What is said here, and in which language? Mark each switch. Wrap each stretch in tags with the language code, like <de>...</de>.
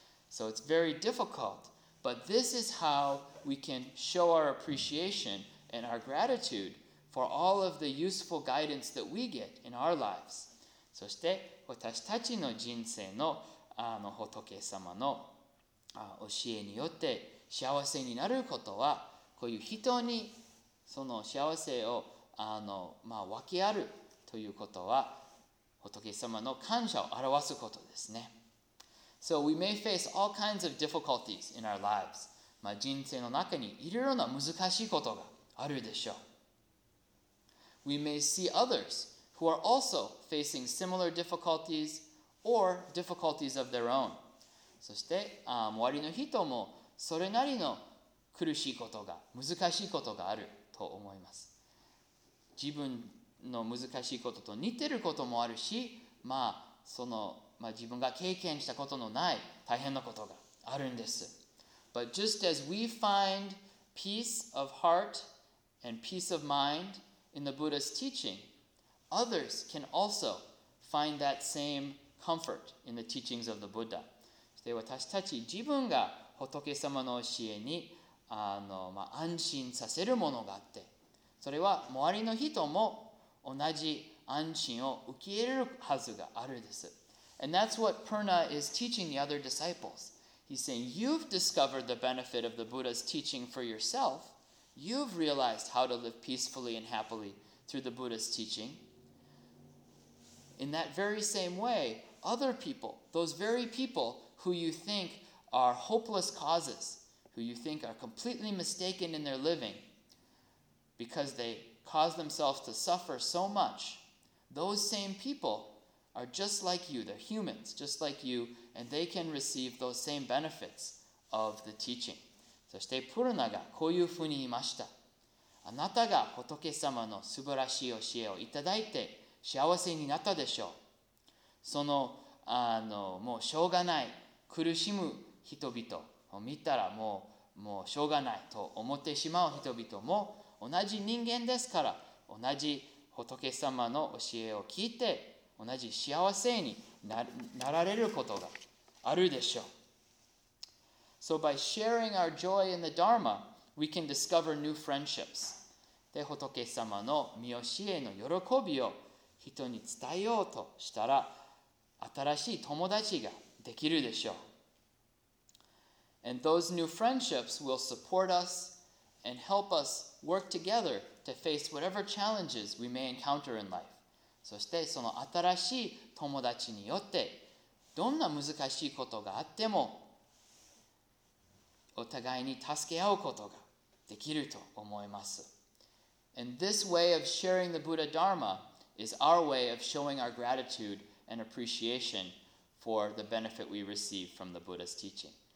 <en>So it's very difficult, but this is how we can show our appreciation and our gratitude for all of the useful guidance that we get in our lives.</en> <ja>そして私たちの人生の仏様の教えによって幸せになることは、こういう人にその幸せをまあ、分けあるということは仏様の感謝を表すことですね。</ja> <en>So we may face all kinds of difficulties in our lives.</en> <ja>まあ人生の中にいろいろな難しいことがあるでしょう。</ja> <en>We may see others who are also facing similar difficulties or difficulties of their own.</en> <ja>そして周りの人もそれなりの苦しいことが、難しいことがあると思います。自分の難しいことと似てることもあるし、まあ、まあ、自分が経験したことのない大変なことがあるんです。</ja> <en>But just as we find peace of heart and peace of mind in the Buddha's teaching, others can also find that same comfort in the teachings of the Buddha.</en> <ja>で、私たち自分が仏様の教えにまあ、安心させるものがあって、それは周りの人も同じ安心を受け入れるはずがあるです。</ja> <en>And that's what Purna is teaching the other disciples. He's saying, you've discovered the benefit of the Buddha's teaching for yourself. You've realized how to live peacefully and happily through the Buddha's teaching. In that very same way, other people, those very people who you think are hopeless causes, who you think are completely mistaken in their living because they cause themselves to suffer so much, those same people are just like you. They're humans, just like you, and they can receive those same benefits of the teaching.</en> <ja>そしてプルナがこういうふうに言いました。あなたが仏様の素晴らしい教えをいただいて幸せになったでしょう。その、もうしょうがない苦しむ人々、見たらもうしょうがないと思ってしまう人々も同じ人間ですから、同じ仏様の教えを聞いて同じ幸せに なられることがあるでしょう。</ja> <en>So by sharing our joy in the Dharma, we can discover new friendships.</en> <ja>で、仏様の御教えの喜びを人に伝えようとしたら、新しい友達ができるでしょう。</ja> <en>And those new friendships will support us and help us work together to face whatever challenges we may encounter in life.</en> <ja>そしてその新しい友達によって、どんな難しいことがあっても、お互いに助け合うことができると思います。</ja> <en>And this way of sharing the Buddha Dharma is our way of showing our gratitude and appreciation for the benefit we receive from the Buddha's teaching.</en>